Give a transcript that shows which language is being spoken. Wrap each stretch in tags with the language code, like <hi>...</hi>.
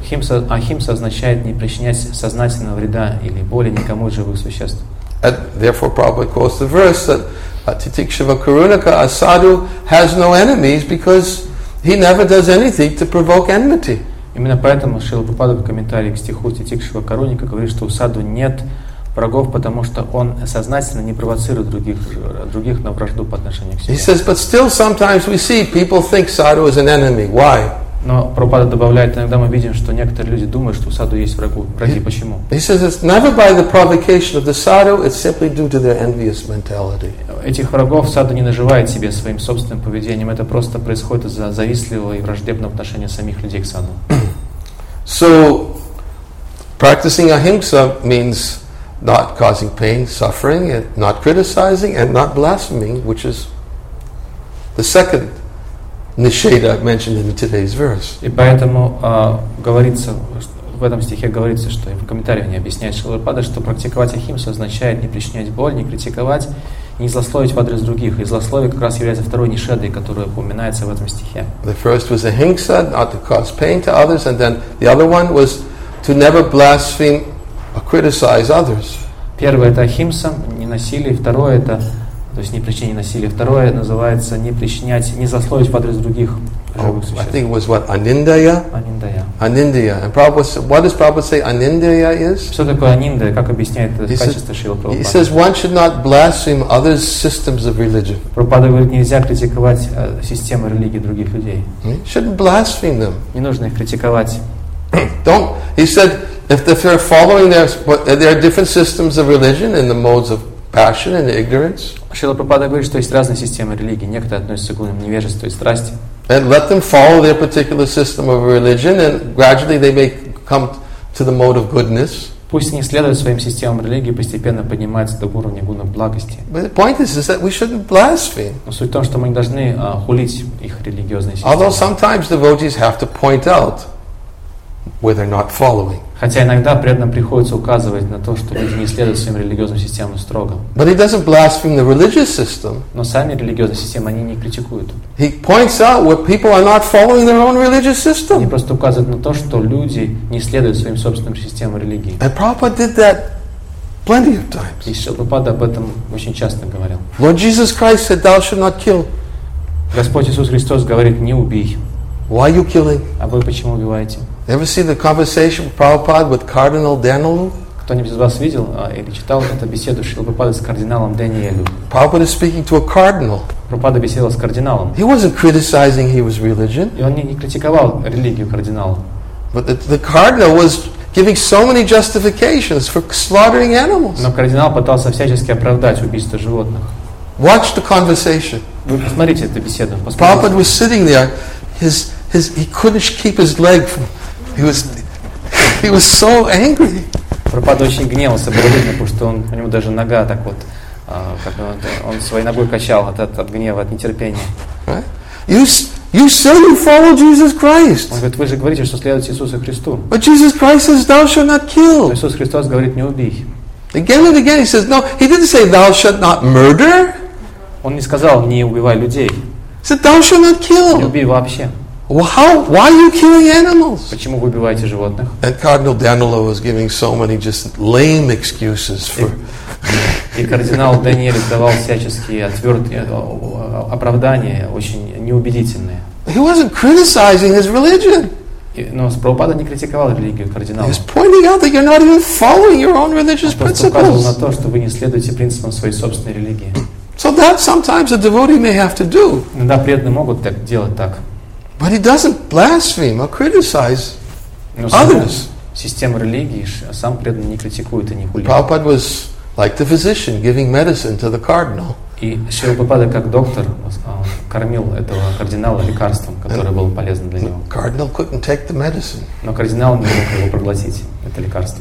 <ru>Ahimsa означает не причинять сознательного вреда или боли никому из живых существ.</ru> <en>Therefore, Prabhupada quotes the verse that Titikshava Karunaka, a sadhu, has no enemies because he never does anything to provoke enmity.</en> <ru>Именно поэтому Шрила Прабхупада в комментарии к стиху Титикшива Каруника говорит, что у саду нет врагов, потому что он сознательно не провоцирует других на вражду по отношению к себе.</ru> <en>He says, but still sometimes we see people think sadhu is an enemy. Why?</en> <ru>Но Прабхупада добавляет, иногда мы видим, что некоторые люди думают, что у саду есть враги. Почему?</ru> <en>He says, it's never by the provocation of the sadhu, it's simply due to their envious mentality.</en> <ru>Этих врагов саду не наживает себе своим собственным поведением. Это просто происходит из-за завистливого и враждебного отношения самих людей к саду.</ru> <en>So, practicing ahimsa means not causing pain, suffering, and not criticizing, and not blaspheming, which is the second nisheda mentioned in today's verse.</en> <ru>И поэтому говорится, в этом стихе говорится, что, и в комментариях не объясняет Шрила Прабхупада, что практиковать ахимсу означает не причинять боль, не критиковать, не злословить в адрес других. И злословие как раз является второй нишедой, которая упоминается в этом стихе.</ru> <en>The first was ahimsa, not to cause pain to others, and then the other one was to never blaspheme or criticize others.</en> <ru>Первое — это ахимса, не насилие. Второе — это, то есть не причинение насилия. Второе называется не причинять, не злословить в адрес других живых существ.</ru> <en>I think it was what? Аниндая?</en> <ru>Аниндая.</ru> <en>Аниндая. And Prabhupada, what does Prabhupada say аниндая is?</en> <ru>Что такое аниндая? Как объясняет это качество Шрила Прабхупады?</ru> <en>He says one should not blaspheme others' systems of religion.</en> <ru>Прабхупада говорит, нельзя критиковать системы религии других людей.</ru> <en>You shouldn't blaspheme them.</en> <ru>Не нужно их критиковать.</ru> <en>Don't. He said, if they're following their different systems of religion and the modes of passion and ignorance.</en> <ru>Шрила Прабхупада говорит, что есть разные системы религии. Некоторые относятся к уровням невежества и страсти.</ru> <en>And let them follow their particular system of religion, and gradually they may come to the mode of goodness.</en> <ru>Пусть они следуют своим системам религии, постепенно поднимаются до уровня гуна благости.</ru> <en>But the point is that we shouldn't blaspheme.</en> <ru>Но суть в том, что мы не должны хулить их религиозные системы.</ru> <en>Although sometimes devotees have to point out where they're not following.</en> <ru>Хотя иногда преданным приходится указывать на то, что люди не следуют своим религиозным системам строго.</ru> <en>But he doesn't blaspheme the religious system.</en> <ru>Но сами религиозные системы они не критикуют.</ru> <en>He points out where people are not following their own religious system.</en> <ru>Они просто указывают на то, что люди не следуют своим собственным системам религии.</ru> <en>And Prabhupada did that plenty of times.</en> <ru>И Шрила Прабхупада об этом очень часто говорил.</ru> <en>Lord Jesus Christ said, "Thou shalt not kill."</en> <ru>Господь Иисус Христос говорит: "Не убий."</ru> <en>Why are you killing?</en> <ru>А вы почему убиваете?</ru> <en>Ever see the conversation with Prabhupada with Cardinal Daniel?</en> <ru>Кто-нибудь из вас видел или читал эту беседу Шрилы Прабхупады с кардиналом Даниэлю?</ru> <en>Prabhupada is speaking to a cardinal.</en> <ru>Прабхупада беседовал с кардиналом.</ru> <en>He wasn't criticizing his religion.</en> <ru>И он не критиковал религию кардинала.</ru> <en>But the cardinal was giving so many justifications for slaughtering animals.</en> <ru>Но кардинал пытался всячески оправдать убийство животных.</ru> <en>Watch the conversation.</en> <ru>Вы посмотрите эту беседу.</ru> <en>Prabhupada was sitting there. He couldn't keep his leg from. He was so angry.</en> <ru>Прабхупада очень гневался, было видно, потому что он, у него даже нога так вот, как он своей ногой качал от гнева, от нетерпения.</ru> <en>You say you follow Jesus Christ.</en> <ru>Он говорит, вы же говорите, что следуете Иисусу Христу.</ru> <en>But Jesus Christ says, "Thou shalt not kill."</en> <ru>Иисус Христос говорит, не убий.</ru> <en>Again and again, he says, "No." He didn't say, "Thou shalt not murder."</en> <ru>Он не сказал, не убивай людей.</ru> <en>He said, "Thou shalt not kill."</en> <ru>Не убий вообще.</ru> <en>Why are you killing animals?</en> <ru>Почему вы убиваете животных?</ru> <en>And Cardinal Danilo was giving so many just lame excuses for.</en> <ru>И кардинал Даниэль давал всяческие отвертые оправдания, очень неубедительные.</ru> <en>He wasn't criticizing his religion.</en> <ru>Но Прабхупада не критиковал религию кардинала.</ru> <en>He's pointing out that you're not even following your own religious principles.</en> <ru>Он указывал на то, что вы не следуете принципам своей собственной религии.</ru> <en>So that sometimes a devotee may have to do.</en> <ru>Иногда преданные могут так делать так.</ru> <en>But he doesn't blaspheme or criticize others.</en> <ru>Система религии, а сам преданный не критикует и не хулит.</ru> <en>Prabhupada was like the physician giving medicine to the cardinal.</en> <ru>И Шрила Прабхупада как доктор кормил этого кардинала лекарством, которое было полезно для него.</ru> <en>Cardinal couldn't take the medicine.</en> <ru>Но кардинал не мог его проглотить это лекарство.</ru>